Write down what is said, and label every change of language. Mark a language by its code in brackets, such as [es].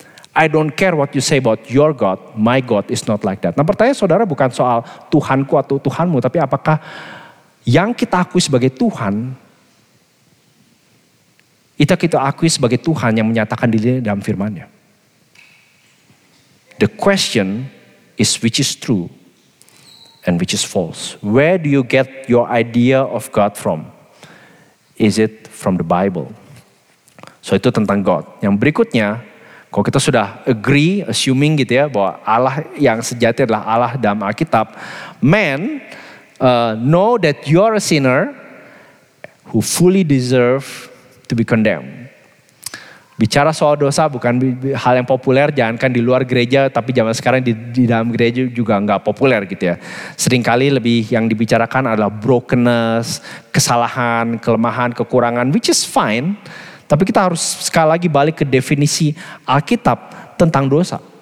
[en] I don't care what you say about your God, my God is not like that. [id] Nah, pertanyaan saudara bukan soal Tuhanku atau Tuhanmu, tapi apakah yang kita akui sebagai Tuhan, itu kita akui sebagai Tuhan yang menyatakan diri dalam firman-Nya. [en] The question is which is true and which is false. Where do you get your idea of God from? Is it from the Bible? So [id] itu tentang [en] God. [id] Yang berikutnya, kalau kita sudah agree, assuming gitu ya, bahwa Allah yang sejati adalah Allah dalam Alkitab. [en] Man, know that you are a sinner who fully deserve to be condemned. [id] Bicara soal dosa bukan hal yang populer, jangankan di luar gereja, tapi zaman sekarang di dalam gereja juga gak populer gitu ya. Seringkali lebih yang dibicarakan adalah brokenness, kesalahan, kelemahan, kekurangan, [en] which is fine. [id] Tapi kita harus sekali lagi balik ke definisi Alkitab tentang dosa.